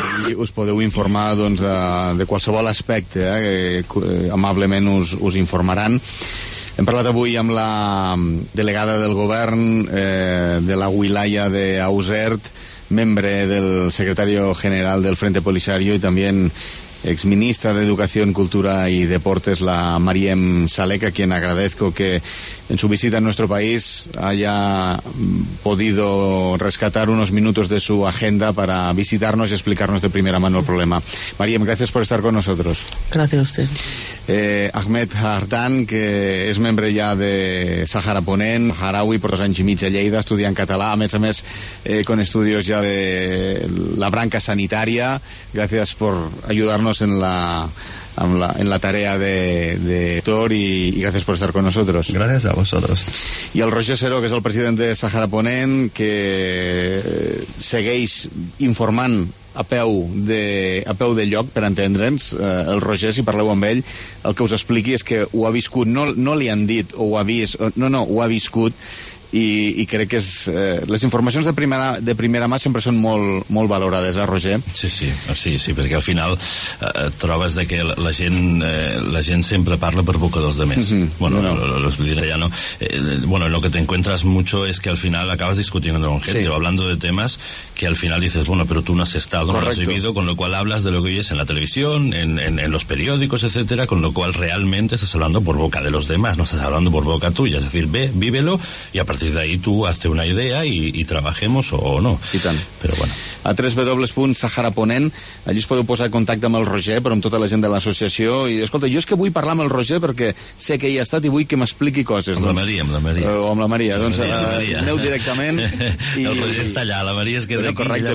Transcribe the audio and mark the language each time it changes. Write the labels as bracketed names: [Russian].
[Catalan] I us podeu informar doncs de qualsevol aspecte, amablement us informaran. Hem parlat avui amb la delegada del govern de la wilaya de Auxerre, membre del secretari general del Frente Polisario i també [Spanish] exministra de Educación, Cultura y Deportes, la Mariem Salek, a quien agradezco que en su visita a nuestro país haya podido rescatar unos minutos de su agenda para visitarnos y explicarnos de primera mano el problema. Mariem, gracias por estar con nosotros. Gracias a usted. [Catalan] Ahmed Hardan, que és membre ja de Sahara Ponent, Harawi, per dos anys i mig a Lleida, estudiant català, a més, [Spanish] con estudios [Catalan] ja de la branca sanitària. [Spanish] Gracias por ayudarnos en la tarea de Tor y gracias por estar con nosotros. Gracias a vosotros. Y al Roger Seró, que es el presidente de [Catalan] Sahara Ponent, que segueix informant a peu de lloc, per entendre'ns, el Roger, si parleu amb ell, el que us expliqui és que ho ha viscut, no li han dit o ho ha vist, no, ho ha viscut, i crec que és, les informacions de primera mà sempre són molt, molt valorades, Roger? Sí, perquè al final trobes de que la gent sempre parla per boca dels altres. [Spanish] Mm-hmm. Bueno, no. Lo diré ya, no? Bueno, lo que te encuentras mucho es que al final acabas discutiendo con gente, sí, o hablando de temas que al final dices, bueno, pero tú no has estado, correcto, no lo has vivido, con lo cual hablas de lo que oyes en la televisión, en los periódicos, etcétera, con lo cual realmente estás hablando por boca de los demás, no estás hablando por boca tuya. Es decir, ve, vívelo, y a partir de ahí tú hazte una idea y trabajemos o no. [Catalan] I tant. Però bueno. A 3w.saharaponent, allí es podeu posar en contacte amb el Roger, però amb tota la gent de l'associació, i escolta, jo és que vull parlar amb el Roger perquè sé que hi ha estat i vull que m'expliqui coses. Amb la Maria. Amb la Maria. Doncs aneu directament. El Roger està allà, la Maria es queda no, correcte,